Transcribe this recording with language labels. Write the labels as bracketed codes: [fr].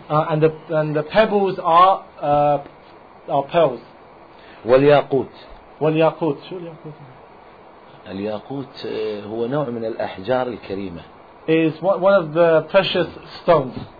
[en] and the pebbles are pearls [ar] والياقوت شو الياقوت الياقوت هو نوع من الأحجار الكريمة [en] is one of the precious stones